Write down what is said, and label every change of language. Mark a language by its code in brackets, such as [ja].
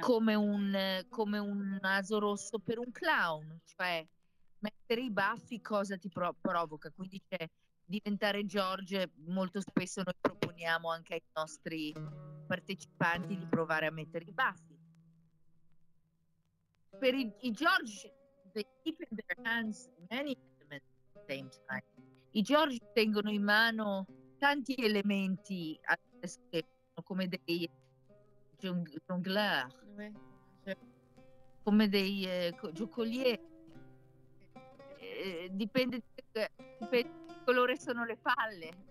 [it] Come un naso rosso per un clown, cioè mettere i baffi cosa ti provoca? Quindi c'è diventare George, molto spesso noi proponiamo anche ai nostri partecipanti di provare a mettere i baffi. Per i George, [en] they keep in their hands many elements at the same time. [it] I George tengono in mano tanti elementi che sono come dei jongleur, come dei giocolieri, dipende di che colore sono le palle.